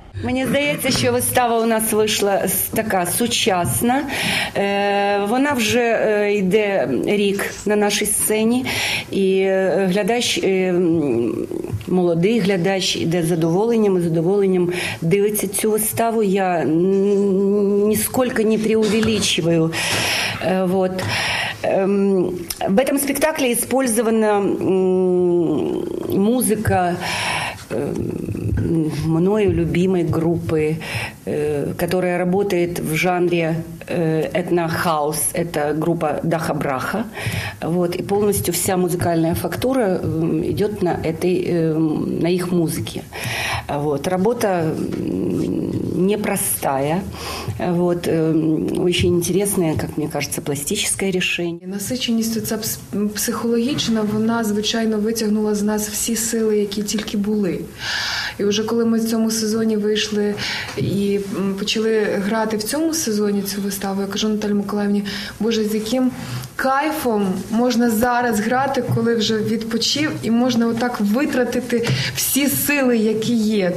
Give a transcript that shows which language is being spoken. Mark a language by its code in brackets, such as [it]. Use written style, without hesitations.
[uk] Мені здається, що вистава у нас вийшла така сучасна. Вона вже йде рік на нашій сцені, і глядач, молодий глядач, йде задоволенням, і задоволенням дивиться цю виставу. [ru] Я нісколько не преувеличиваю. От. В этом спектакле использована музыка мною любимой группы, которая работает в жанре этно-хаус. Это группа «Даха Браха». Вот. И полностью вся музыкальная фактура идет на этой, на их музыке. Вот. Работа непростая. Вот. Очень интересное, как мне кажется, пластическое решение. Насыщенность эта психологичная, она, [uk] звичайно, [ru] вытягнула из нас все силы, которые только были. [uk] І вже коли ми в цьому сезоні вийшли і почали грати в цьому сезоні цю виставу, я кажу Наталі Миколаївні, боже, з яким кайфом можна зараз грати, коли вже відпочив, і можна отак витратити всі сили, які є.